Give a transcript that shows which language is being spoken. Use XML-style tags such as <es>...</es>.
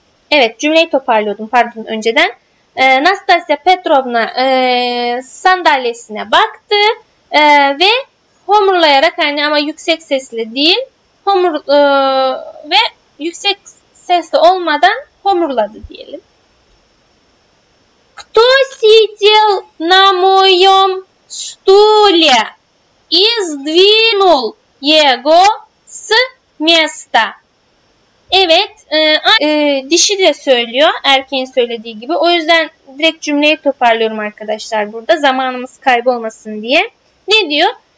<tr>Evet, cümleyi toparlıyordum. Pardon, önceden. Nastasya Petrovna sandalyesine baktı ve homurlayarak, hani ama yüksek sesle değil, homur ve yüksek sesle olmadan homurladı diyelim.</tr> <ru>Кто сидел на моём стуле и сдвинул его с места?</ru> <tr>Evet, dişi de söylüyor, erkeğin söylediği gibi. O yüzden direkt cümleyi toparlıyorum arkadaşlar burada, zamanımız kaybolmasın diye. Ne diyor?</tr>